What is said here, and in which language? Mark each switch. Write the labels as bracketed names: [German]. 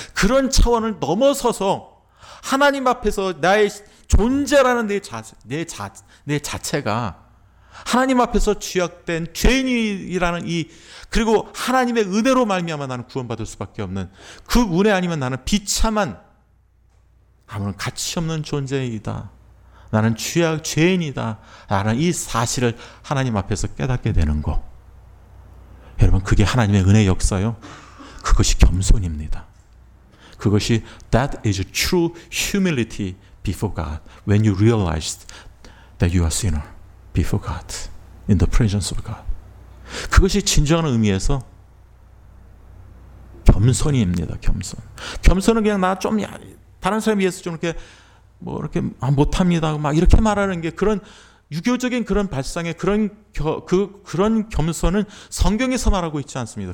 [Korean] 그런 차원을 넘어서서 하나님 앞에서 나의 존재라는 내 자체가 하나님 앞에서 죄악된 죄인이라는 이, 그리고 하나님의 은혜로 말미암아 나는 구원받을 수밖에 없는 그 은혜 아니면 나는 비참한 아무런 가치 없는 존재이다, 나는 죄인이다 라는 이 사실을 하나님 앞에서 깨닫게 되는 거, 여러분 그게 하나님의 은혜 역사요. 그것이 겸손입니다. 그것이 [English] That is true humility before God when you realize that you are a sinner before God in the presence of God. [Korean] 그것이 진정한 의미에서 겸손입니다. 겸손. 겸손은 그냥 나 좀 다른 사람에 비해서 좀 이렇게 뭐 이렇게 아 못합니다 막 이렇게 말하는 게, 그런 유교적인 그런 발상의 그런 겸손은 성경에서 말하고 있지 않습니다.